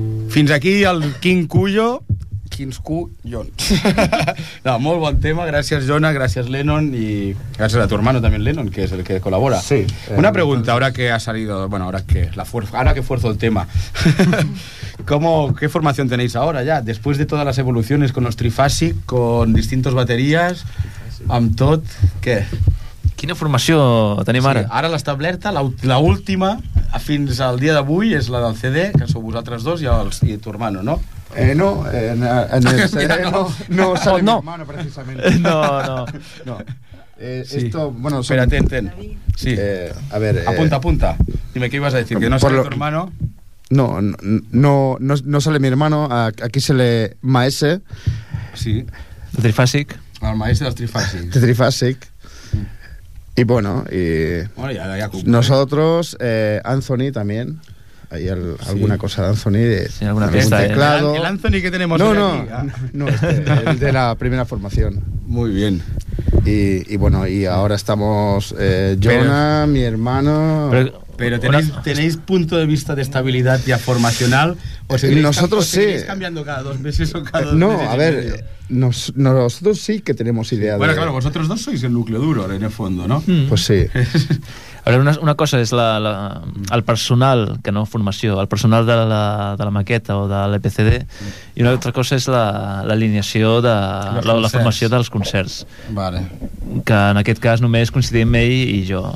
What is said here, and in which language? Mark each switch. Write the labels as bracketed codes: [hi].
[ca] Fins aquí el King Cuyo. Quins collons. No, molt bon tema, gràcies Jona, gràcies Lennon i gràcies a tu hermano també, Lennon, que és el que col·labora. Sí, [es] una pregunta, [ca] ara que [es] ha salido, bueno, ahora que la fuerza, ahora que fuerzo el tema. ¿Cómo, qué formación tenéis ahora ya? Después de todas las evoluciones con los trifásic, con distintos baterías, [ca] amb tot, què? Quina formació tenim ara? Sí, ara l'establerta, la última fins al dia d'avui és la del CD, que sou vosaltres dos i els i [es] tu hermano, [ca] no? [es] No, en el CD no sale mi hermano precisamente. No. Esto, bueno, espérate, ten. Sí. A ver, apunta. Dime qué ibas a decir, que no sale tu hermano. No sale mi hermano, aquí se le Maese. Sí. Trifásic. El Maese del Trifásic. Trifásic. Y bueno, y bueno, ya cumple. Nosotros, Anthony también. Hay alguna cosa de Anthony, algún teclado. El Anthony que tenemos el de la primera formación. Muy bien. Y bueno, y ahora estamos Jonah, mi hermano. Pero ¿tenéis punto de vista de estabilidad ya formacional? ¿O seguiréis nosotros sí. cambiando cada dos meses o cada dos meses? No, a ver, nosotros sí que tenemos idea. Bueno, claro, vosotros dos sois el núcleo duro en el fondo, ¿no? Mm. Pues sí. [ca] A veure, una cosa és el personal, que no formació, el personal de la maqueta o de l'EPCD, i una altra cosa és l'alineació de la formació dels concerts. Vale. Que en aquest cas només coincidim ell i jo.